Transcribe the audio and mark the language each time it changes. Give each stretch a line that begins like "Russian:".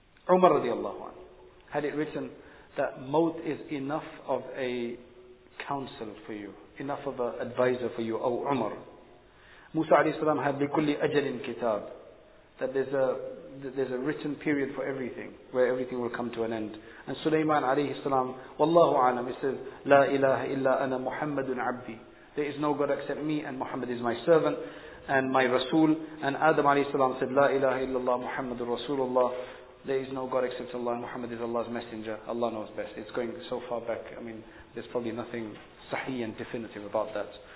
English: Umar radiallahu anhu had it written that maut is enough of a counsel for you, enough of an advisor for you, O Umar. Musa alayhi salam had
Arabic: بِكُلِّ أَجَلٍ
English: kitab, that there's a written period for everything, where everything will come to an end. And Sulaiman alayhi salam,
Arabic: وَاللَّهُ عَلَمْ,
English: he says,
Arabic: لَا إِلَهَ إِلَّا أَنَا مُحَمَّدٌ عَبْدِي.
English: There is no God except me, and Muhammad is my servant, and my Rasul. And Adam alayhi salam said,
Arabic: لَا إِلَهَ إِلَّا اللَّهُ مُحَمَّدٌ رَسُولُ اللَّهُ.
English: There is no God except Allah, and Muhammad is Allah's messenger. Allah knows best. It's going so far back. I mean, there's probably nothing sahih and definitive about that.